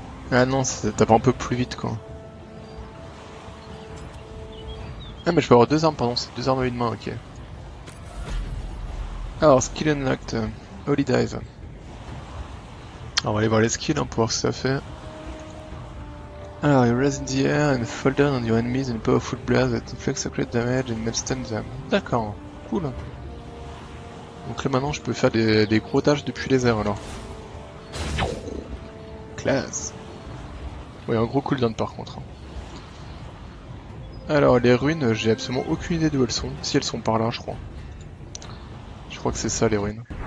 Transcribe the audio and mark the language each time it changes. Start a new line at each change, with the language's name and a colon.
French: Ah non, ça tape un peu plus vite quoi. Ah, mais je peux avoir deux armes, pardon, c'est deux armes à une main, ok. Alors,
English: skill unlocked, holy dive.
French: Alors, on va aller voir les skills hein, pour voir ce que ça fait.
English: Alors, you raise in the air and fall down on your enemies in a powerful blast that inflicts a great damage and may stun them.
French: D'accord, cool. Donc là maintenant je peux faire des gros dash depuis les airs alors. Classe. Oui, un gros cooldown par contre. Alors, les ruines, j'ai absolument aucune idée d'où elles sont. Si elles sont par là, je crois. Je crois que c'est ça les ruines.